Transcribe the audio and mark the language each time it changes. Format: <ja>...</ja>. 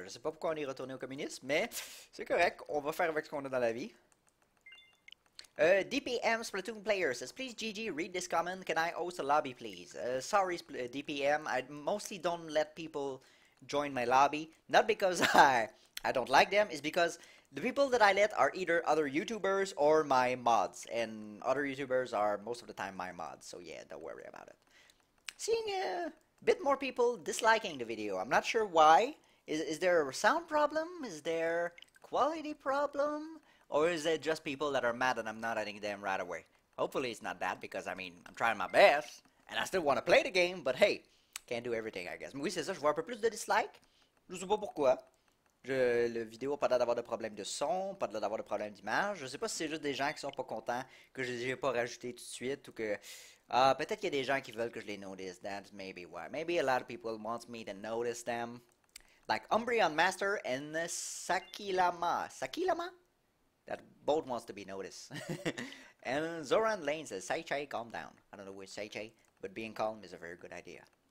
<fr>Je sais pas pourquoi on est retourné au communisme, mais c'est correct. On va faire avec ce qu'on a dans la vie.</fr> <en>DPM Splatoon player says, please, GG, read this comment. Can I host a lobby, please? Sorry, DPM. I mostly don't let people join my lobby. Not because I don't like them. It's because... the people that I let are either other YouTubers or my mods, and other YouTubers are most of the time my mods, so yeah, don't worry about it. Seeing a bit more people disliking the video, I'm not sure why. Is there a sound problem? Is there quality problem? Or is it just people that are mad and I'm not adding them right away? Hopefully it's not that, because I mean, I'm trying my best, and I still want to play the game, but hey, can't do everything, I guess.</en> <fr>Mais oui, c'est ça, je vois un peu plus de dislike. Je sais pas pourquoi. Le vidéo pas d'avoir de problème de son, pas d'avoir de problème d'image. Je sais pas si c'est juste des gens qui sont pas contents que je les ai pas rajoutés tout de suite ou que peut-être qu'il y a des gens qui veulent que je les notice.</fr> <en>That's maybe why. Maybe a lot of people want me to notice them. Like Umbreon Master and Sakilama. Sakilama? That both wants to be noticed. And Zoran Lane says, Saichai, calm down. I don't know which Saichai, but being calm is a very good idea.</en>